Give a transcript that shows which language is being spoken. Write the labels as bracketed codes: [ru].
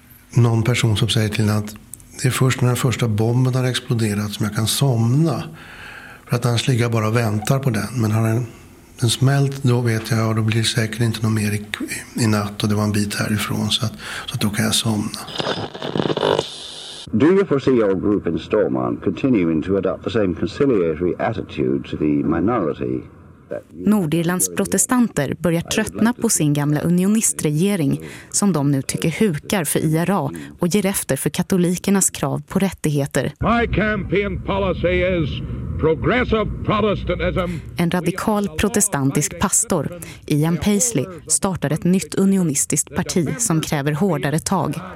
[sv] Någon person som säger till att det är först när den första bomben har exploderat som jag kan somna. För att annars ligger jag bara och väntar på den. Men har den smält, då vet jag att det blir säkert inte någon mer i natt. Och det var en bit härifrån, så att då kan jag somna. [en] Do you foresee your group in Stormont continuing to adopt the same conciliatory attitude to the minority? [sv] Nordirlands protestanter börjar tröttna på sin gamla unionistregering som de nu tycker hukar för IRA och ger efter för katolikernas krav på rättigheter. [en] My campaign policy is progressive Protestantism. [sv] En radikal protestantisk pastor, Ian Paisley, startar ett nytt unionistiskt parti som kräver hårdare tag.